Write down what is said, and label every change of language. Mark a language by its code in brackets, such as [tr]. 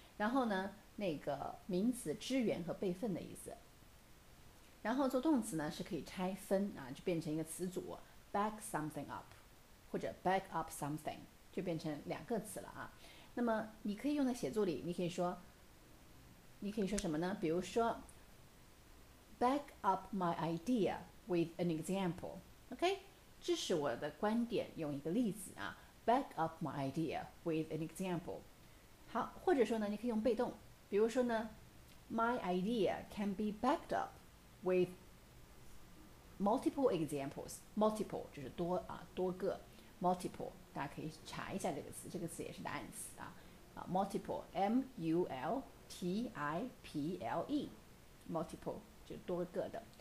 [zh] 然后呢，那个名词支援和备份的意思。然后做动词呢，是可以拆分啊，就变成一个词组， [en] back something up， [zh] 或者 [en] back up something， [zh] 就变成两个词了啊。那么你可以用在写作里，你可以说什么呢？比如说， [en] back up my idea with an example， [zh] OK，支持我的观点，用一个例子啊，back up my idea with an example。好，或者说呢，你可以用被动，比如说呢， [en] my idea can be backed up。 With multiple examples， [zh] multiple 就是多啊，多个，multiple 大家可以查一下这个词，这个词也是单词啊，multiple，multiple，multiple 就多个的。